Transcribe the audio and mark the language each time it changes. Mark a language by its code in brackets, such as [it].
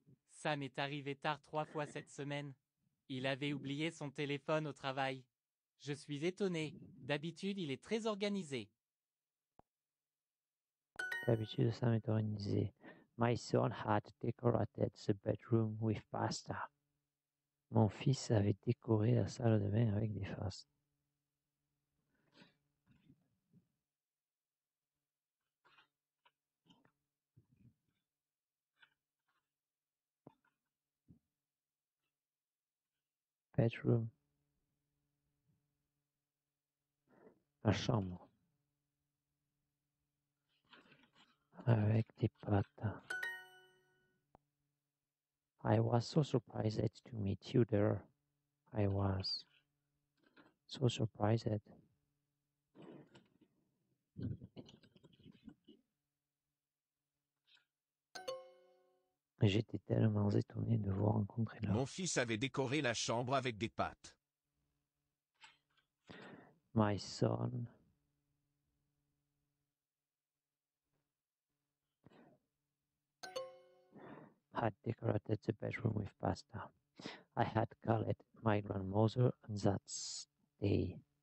[fr] Sam est arrivé tard 3 fois cette semaine. Il avait oublié son téléphone au travail. Je suis étonné. D'habitude, il est très organisé. D'habitude, Sam est organisé. [en] My son had decorated the bedroom with pasta. [fr] Mon fils avait décoré la salle de bain avec des pâtes. [en] Bedroom. [fr] La chambre. Avec des pâtes. [en] I was so surprised to meet you there. I was so surprised. [fr] J'étais tellement étonné de vous rencontrer là. Mon fils avait décoré la chambre avec des pâtes. [en] My son had decorated the bedroom with pasta. I had called my grandmother on that day.